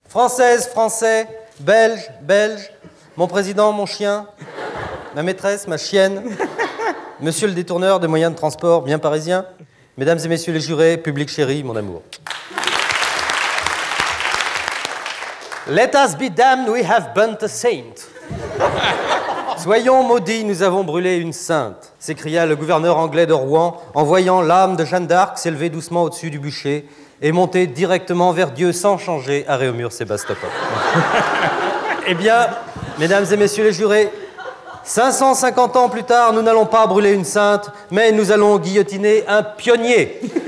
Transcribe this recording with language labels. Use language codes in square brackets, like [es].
[fr] Française, Français, Belge, Belge, mon président, mon chien, ma maîtresse, ma chienne, monsieur le détourneur des moyens de transport bien parisien, mesdames et messieurs les jurés, public chéri, mon amour. [en] Let us be damned, we have burnt a saint. [fr] Soyons maudits, nous avons brûlé une sainte, s'écria le gouverneur anglais de Rouen en voyant l'âme de Jeanne d'Arc s'élever doucement au-dessus du bûcher et monter directement vers Dieu sans changer à Réaumur Sébastopol. Eh bien, mesdames et messieurs les jurés, 550 ans plus tard, nous n'allons pas brûler une sainte, mais nous allons guillotiner un pionnier.